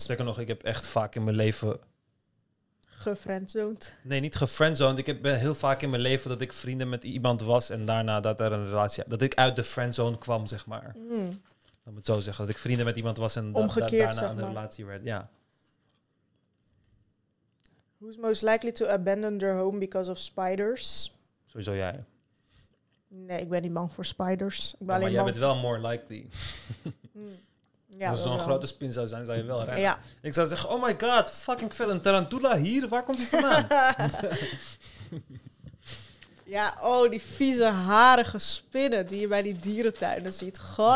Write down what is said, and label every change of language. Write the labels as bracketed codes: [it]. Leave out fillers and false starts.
[nl] Sterker nog, ik heb echt vaak in mijn leven... Gefriendzoned. Nee, niet gefriendzoned. Ik ben heel vaak in mijn leven dat ik vrienden met iemand was en daarna dat er een relatie... Dat ik uit de friendzone kwam, zeg maar. Mm. Dat moet zo zeggen. Dat ik vrienden met iemand was en daarna een relatie werd. Ja. [en] Who's most likely to abandon their home because of spiders? [nl] Sowieso jij. Nee, ik ben niet bang voor spiders. Maar jij bent wel [en] more likely. [nl] Ja, als zo'n grote spin zou zijn, zou je wel rennen. Ja. Ik zou zeggen, [en] oh my god, [nl] fucking veel een tarantula hier. Waar komt die vandaan? Ja, oh, die vieze, harige spinnen die je bij die dierentuinen ziet. God,